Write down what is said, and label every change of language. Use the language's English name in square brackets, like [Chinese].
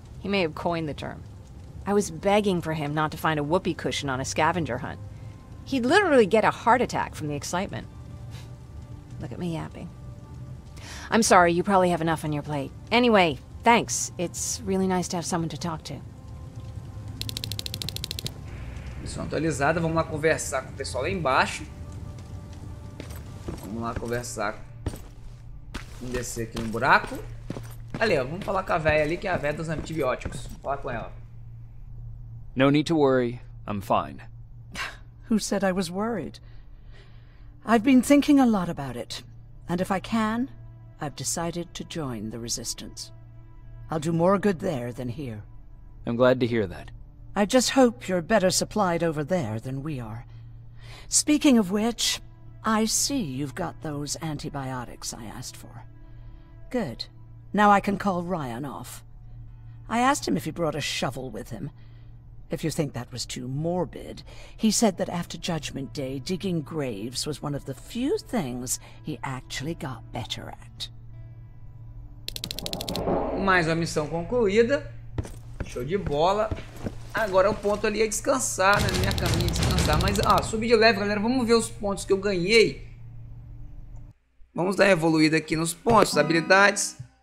[English] He may have coined the term. I was begging for him not to find a whoopee cushion on a scavenger hunt. He'd literally get a heart attack from the excitement. Look at me yapping. I'm sorry, you probably have enough on your plate. Anyway, thanks. It's really nice to have someone to talk to. [Portuguese] Missão atualizada, vamos lá conversar com o pessoal lá embaixo. Vamos lá conversar. Vamos descer aqui no buraco. Ali, ó, vamos falar com a véia ali, que é a véia dos antibióticos. Vamos falar com ela. [English] No need to worry. I'm fine. Who said I was worried? I've been thinking a lot about it. And if I can, I've decided to join the Resistance. I'll do more good there than here. I'm glad to hear that. I just hope you're better supplied over there than we are. Speaking of which, I see you've got those antibiotics I asked for. Good. Now I can call Ryan off. I asked him if he brought a shovel with him. If you think that was too morbid, he said that after Judgment Day, digging graves was one of the few things he actually got better at. [Portuguese] Mais uma missão concluída. Show de bola. Agora o ponto ali é descansar, né? Minha caminha é descansar. Mas, ó, subi de leve, galera. Vamos ver os pontos que eu ganhei. Vamos dar evoluída aqui nos pontos, as habilidades.